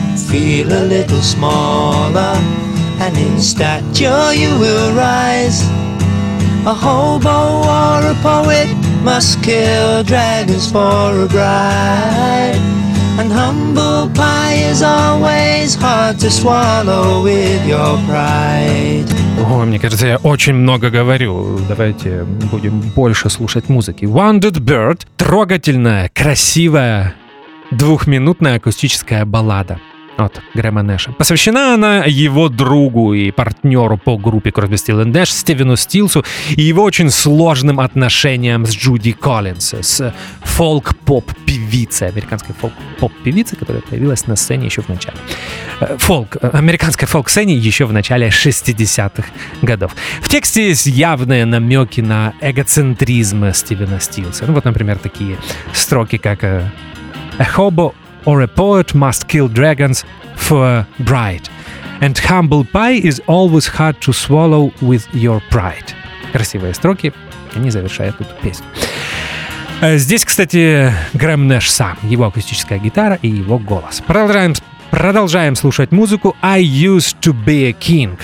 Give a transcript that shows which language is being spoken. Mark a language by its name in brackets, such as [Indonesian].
[English] Feel a little smaller, and in stature you will rise. A hobo or a poet must kill dragons for a bride. And humble pie is always hard to swallow with your pride. [Russian] О, мне кажется, я очень много говорю. Давайте будем больше слушать музыки. Wounded Bird — трогательная, красивая, двухминутная акустическая баллада от Грэма Нэша. Посвящена она его другу и партнеру по группе Crosby, Stills and Nash, Стивену Стилсу, и его очень сложным отношениям с Джуди Коллинз, с фолк-поп-певицей, американской фолк-поп-певицей, которая появилась на сцене еще в начале. Американской фолк-сцене еще в начале 60-х годов. В тексте есть явные намеки на эгоцентризм Стивена Стилса. Ну вот, например, такие строки, как [English] «A hobo or a poet must kill dragons for a bride. And humble pie is always hard to swallow with your pride». [Russian] Красивые строки, они завершают эту песню. Здесь, кстати, Грэм Нэш сам, его акустическая гитара и его голос. Продолжаем слушать музыку «I used to be a king».